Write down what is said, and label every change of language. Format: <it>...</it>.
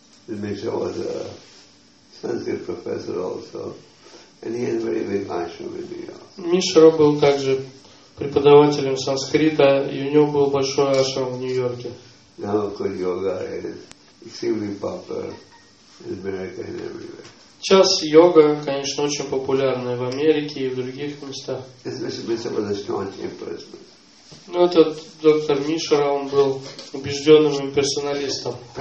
<en>This Mishra was a Sanskrit professor also, and he had a very big ashram in New York.</en> <ru>Mishra был также преподавателем санскрита, и у него был большой ашрам в Нью-Йорке.</ru> <en>Now, good yoga is extremely popular in America and everywhere.</en> <ru>Сейчас йога, конечно, очень популярная в Америке и в других местах.</ru> <en>Mishra was a strong impersonalist.</en> <ru>Ну, этот доктор Мишра, он был убежденным имперсоналистом.</ru>